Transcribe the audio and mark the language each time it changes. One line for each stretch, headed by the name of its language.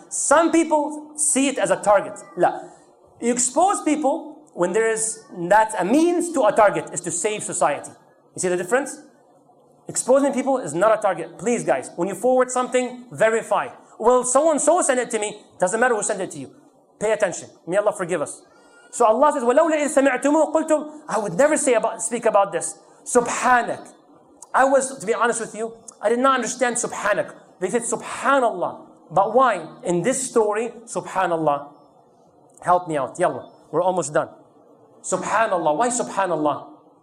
English: Some people see it as a target. La. You expose people when there is, that's a means to a target, is to save society. You see the difference? Exposing people is not a target. Please, guys, when you forward something, verify. Well, so-and-so sent it to me. Doesn't matter who sent it to you. Pay attention. May Allah forgive us. So Allah says,
Arabic: وَلَوْلَا إِذْ سَمِعْتُمُوا قُلْتُمْ.
English: I would never speak about this. Subhanak. I was, to be honest with you, I did not understand Subhanak. They said Subhanallah. But why? In this story, Subhanallah. Help me out. Yalla. We're almost done. Subhanallah. Why Subhanallah?